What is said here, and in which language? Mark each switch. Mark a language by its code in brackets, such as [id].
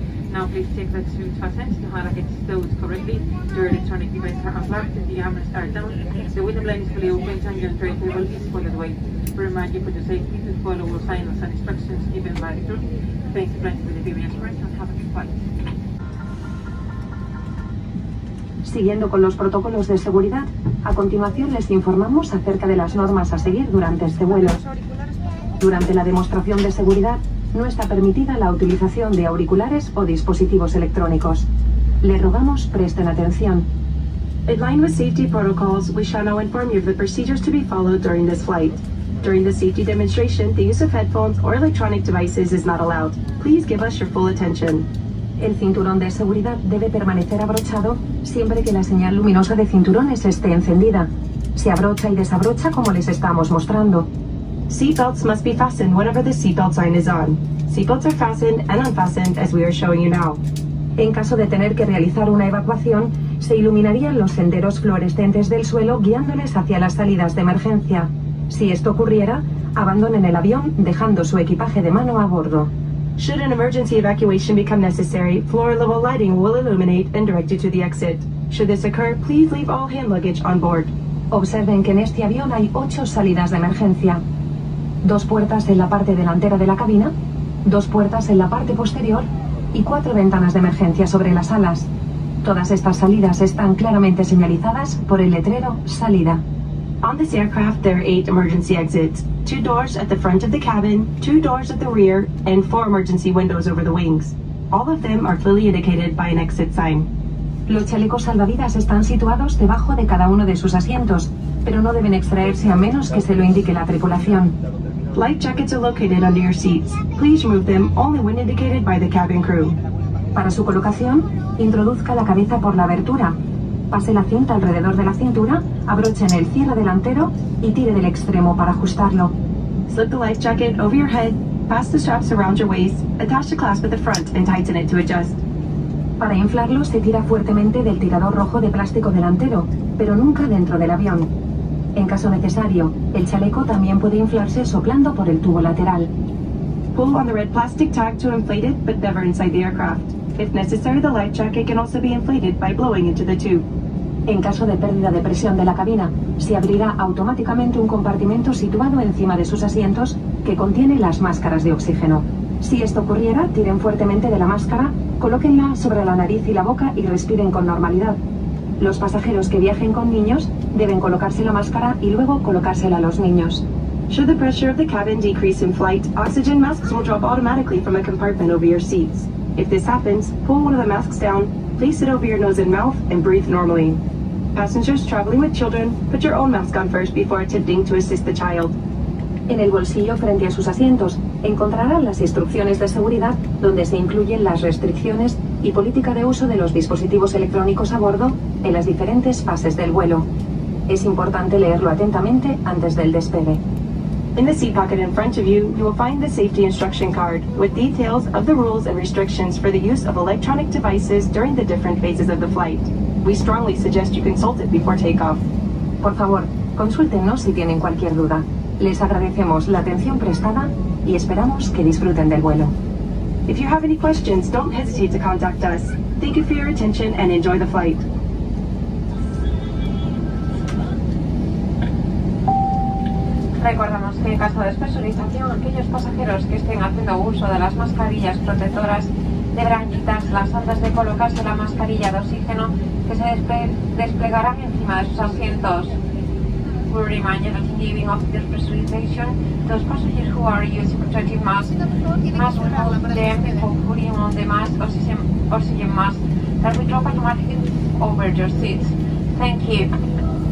[en] Now, please check the suit fastens to highlight those correctly. Your electronic devices are unplugged, the armrests are down, the window blind is fully open, and your tray table is folded away. We remind you for your safety to follow all signals and instructions given by the crew. Thank you, friends, for the Iberia Express, and have a good flight. [es] Siguiendo con los protocolos de seguridad, a continuación les informamos acerca de las normas a seguir durante este vuelo. Durante la demostración de seguridad, no está permitida la utilización de auriculares o dispositivos electrónicos. Le rogamos presten atención. [en] In line with safety protocols, we shall now inform you of the procedures to be followed during this flight. During the safety demonstration, the use of headphones or electronic devices is not allowed. Please give us your full attention. [es] El cinturón de seguridad debe permanecer abrochado siempre que la señal luminosa de cinturones esté encendida. Se abrocha y desabrocha como les estamos mostrando. [en] Seatbelts must be fastened whenever the seatbelt sign is on. Seatbelts are fastened and unfastened as we are showing you now. [es] En caso de tener que realizar una evacuación, se iluminarían los senderos fluorescentes del suelo guiándoles hacia las salidas de emergencia. Si esto ocurriera, abandonen el avión dejando su equipaje de mano a bordo. [en] Should an emergency evacuation become necessary, floor-level lighting will illuminate and direct you to the exit. Should this occur, please leave all hand luggage on board. [es] Observen que en este avión hay 8 salidas de emergencia. 2 puertas en la parte delantera de la cabina, 2 puertas en la parte posterior y 4 ventanas de emergencia sobre las alas. Todas estas salidas están claramente señalizadas por el letrero salida. [en] On this aircraft, there are 8 emergency exits. 2 doors at the front of the cabin, 2 doors at the rear, and 4 emergency windows over the wings. All of them are clearly indicated by an exit sign. [es] Los chalecos salvavidas están situados debajo de cada uno de sus asientos, pero no deben extraerse a menos que se lo indique la tripulación. [en] Life jackets are located under your seats. Please remove them only when indicated by the cabin crew. [es] Para su colocación, introduzca la cabeza por la abertura. Pase la cinta alrededor de la cintura, abrochen el cierre delantero y tire del extremo para ajustarlo. [en] Slip the life jacket over your head, pass the straps around your waist, attach the clasp at the front and tighten it to adjust. [es] Para inflarlo se tira fuertemente del tirador rojo de plástico delantero, pero nunca dentro del avión. En caso necesario, el chaleco también puede inflarse soplando por el tubo lateral. [en] Pull on the red plastic tag to inflate it, but never inside the aircraft. If necessary, the life jacket can also be inflated by blowing into the tube. [es] En caso de pérdida de presión de la cabina, se abrirá automáticamente un compartimento situado encima de sus asientos que contiene las máscaras de oxígeno. Si esto ocurriera, tiren fuertemente de la máscara, colóquenla sobre la nariz y la boca y respiren con normalidad. Los pasajeros que viajen con niños deben colocarse la máscara y luego colocársela a los niños. [en] Should the pressure of the cabin decrease in flight, oxygen masks will drop automatically from a compartment over your seats. If this happens, pull one of the masks down, place it over your nose and mouth, and breathe normally. Passengers traveling with children, put your own mask on first before attempting to assist the child. [es] En el bolsillo frente a sus asientos, encontrarán las instrucciones de seguridad donde se incluyen las restricciones y política de uso de los dispositivos electrónicos a bordo en las diferentes fases del vuelo. Es importante leerlo atentamente antes del despegue. [en] In the seat pocket in front of you, you will find the safety instruction card with details of the rules and restrictions for the use of electronic devices during the different phases of the flight. We strongly suggest you consult it before takeoff. [es] Por favor, consúltenos si tienen cualquier duda. Les agradecemos la atención prestada y esperamos que disfruten del vuelo. [en] If you have any questions, don't hesitate to contact us. Thank you for your attention and enjoy the flight. [es] Recordamos que en caso de despresurización, aquellos pasajeros que estén haciendo uso de las mascarillas protectoras deberán quitárselas antes de colocarse la mascarilla de oxígeno que se desplegará encima de sus asientos. [en] We remind you that in the event of despresurization, those passengers who are using protective masks must hold them before putting on the mask or oxygen mask that will drop automatically over your seats. Thank you.